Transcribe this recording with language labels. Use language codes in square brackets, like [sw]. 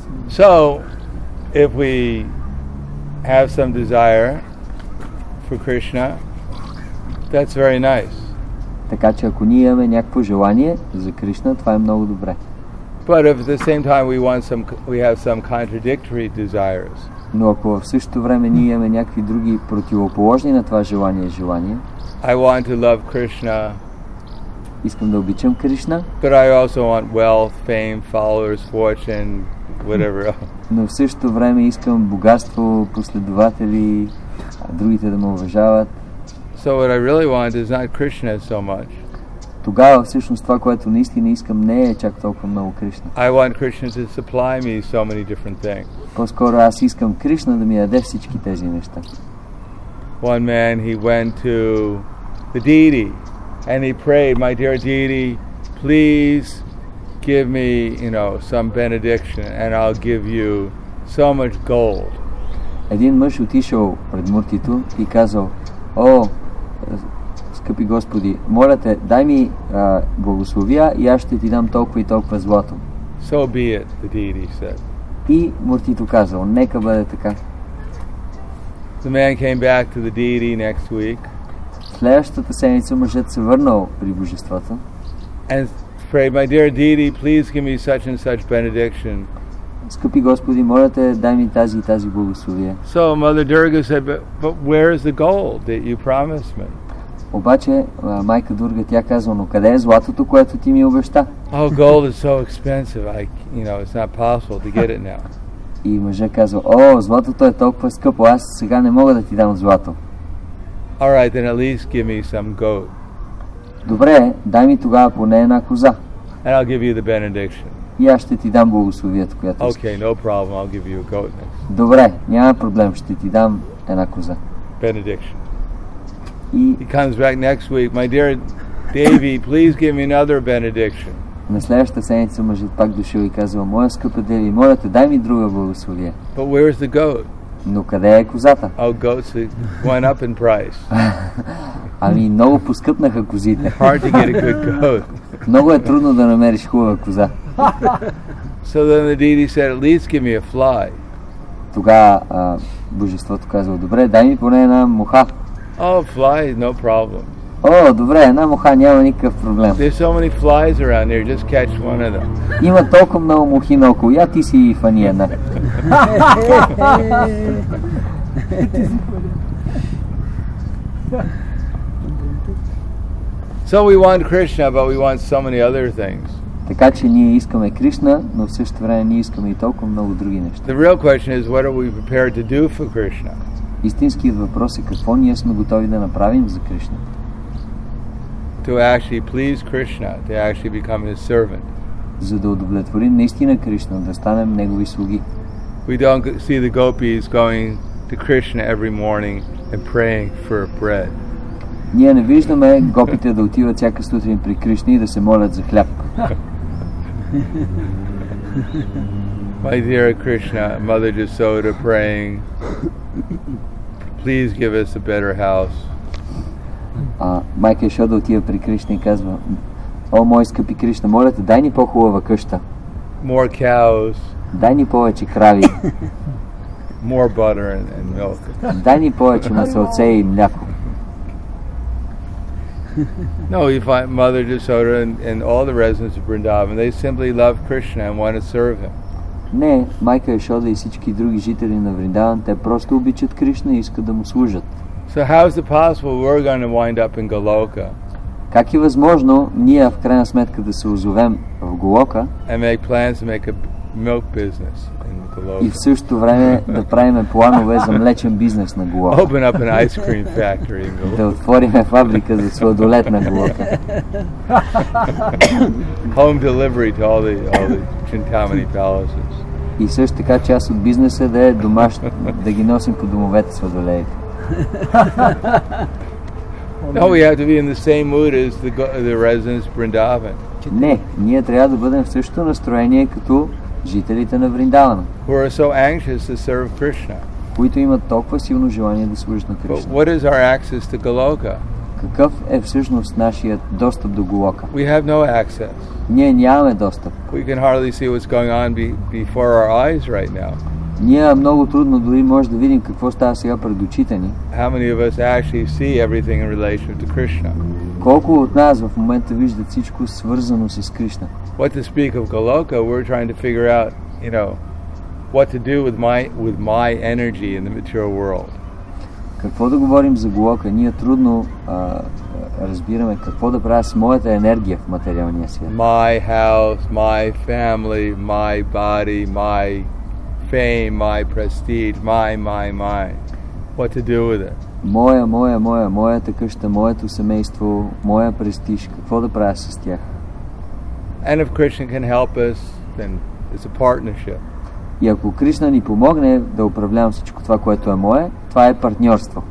[en] So, if we have some desire for Krishna, that's very nice. [bg] Така че ако ние имаме някакво желание за Кришна, това е много добре. [en] But if at the same time we have some contradictory desires. [bg] Но ако в същото време ние имаме някакви други противоположни на това желание и желание, [en] I want to love Krishna. [bg] Искам да обичам Кришна. [en] But I also want wealth, fame, followers, fortune, whatever else. [bg] Но в същото време искам богатство, последователи, другите да ме уважават. [en] So what I really want is not Krishna so much. [bg] Тогава всъщност това, което наистина искам, не е чак толкова много Кришна. [en] I want Krishna to supply me so many different things. [bg] По-скоро аз искам Кришна да ми даде всички тези неща. [en] One man, he went to the deity and he prayed, my dear deity, please give me, you know, some benediction and I'll give you so much gold. [bg] Един мъж отишъл пред Муртито и казал, о, скъпи Господи, моля те, дай ми благословия и аз ще ти дам толкова и толкова злато. [en] So be it, the deity said. [bg] И Муртито казал, нека бъде така. [en] The man came back to the deity next week. [bg] Следващата седмица мъжът се върнал при божеството. [en] And prayed, my dear deity, please give me such and such benediction. [bg] Скъпи Господи, моля те, дай ми тази и тази благословия. [en] So Mother Durga said, but where is the gold that you promised me? [bg] Обаче майка Дурга тя казва, но къде е златото, което ти ми обеща? [en] Oh, gold is so expensive. I, you know, it's not possible to get it now. [bg] И мъжът казва, о, златото е толкова скъпо, аз сега не мога да ти дам злато. [en] All right, then at least give me some goat. [bg] Добре, дай ми тогава поне една коза. [en] And I'll give you the benediction. [bg] И аз ще ти дам благословието, което искаш. [en] Okay, no problem. I'll give you a goat. [bg] Добре, няма проблем, ще ти дам една коза. [en] Benediction. He comes back next week. My dear Davy, please give me another benediction. [bg] На следващата седмица мъжът пак дошъл и казва, моя скъпа Деви, моля те, дай ми друга благословие. [en] But where is the goat? [bg] Но къде е козата? [en] Oh, goats went up in price. [bg] Ами много поскъпнаха козите. [en] Hard to get a good goat. [bg] Много е трудно да намериш хубава коза. [en] So then the deity said, at least give me a fly. [bg] Тогава божеството казва, добре, дай ми поне една муха. [en] Oh, fly, no problem. [bg] Oh, добре, една муха, няма никакъв проблем. [en] There's so many flies around here, just catch one of them. [bg] Има толкова много мухи наоколо, я ти си фани една. [en] So we want Krishna, but we want so many other things. [bg] Така че ние искаме Кришна, но в същото време ние искаме и толкова много други неща. [en] The real question is, what are we prepared to do for Krishna? [bg] Истинският въпрос е какво ние сме готови да направим за Кришна. [en] To actually please Krishna, to actually become his servant. [bg] За да удовлетворим наистина Кришна, да станем негови слуги. [en] We don't see the gopis going to Krishna every morning and praying for bread. [bg] Ние не виждаме гопите да отиват всяка сутрин при Кришна и да се молят за хляб. [en] My dear Krishna, Mother Jasoda praying, please give us a better house. [bg] Майка Йошода отива при Кришна и казва, о, мой скъпи Кришна, моля те, дай ни по-хубава къща. [en] More cows. [bg] Дай ни повече крави. [en] More butter and milk. [bg] Дай ни повече месоце и мляко. [en] No, you find Mother Jasoda and all the residents of Vrindavan, they simply love Krishna and want to serve him. [bg] Не, майка Йошода и всички други жители на Вриндаван, те просто обичат Кришна и искат да му служат. [en] So how is it possible we're going to wind up in Голока? [bg] Как е възможно ние в крайна сметка да се озовем в Голока? [en] And make plans to make a milk business in Голока. [bg] И в същото време да правим планове за млечен бизнес на Голока. [en] Open up an ice cream factory in Голока. [bg] Да отворим фабрика за сладолед на Голока. [en] Home delivery to all the Chintamani palaces. [bg] И също така част от бизнеса да е домашно, да ги носим по домовете сладолеите. [en] No, we have to be in the same mood as the residents of Vrindavan. [bg] Не, ние трябва да бъдем в същото настроение като жителите на Вриндавана. [en] Who are so anxious to serve Krishna. [bg] Които имат толкова силно желание да служат на Кришна. [en] But what is our access to Goloka? [bg] Какъв е всъщност нашият достъп до Голока? [en] We have no access. [bg] Ние нямаме достъп. [en] We can hardly see what's going on before our eyes right now. [bg] Ние много трудно дори може да видим какво става сега пред очите ни. [en] How many of us actually see everything in relation to Krishna? [bg] Колко от нас в момента виждат всичко свързано с Кришна? [en] What to speak of Goloka, we're trying to figure out, you know, what to do with my energy in the material world. [bg] Какво да говорим за Голока? Ние трудно разбираме какво да правя с моята енергия в материалния свят. [en] My house, my family, my body, my fame, my prestige, my. What to do with it? [bg] Моята къща, моето семейство, моя престиж, какво да правя с тях? [en] And if Krishna can help us, then it's a partnership. [bg] И ако Кришна ни помогне да управлявам всичко това, което е мое, това е партньорство.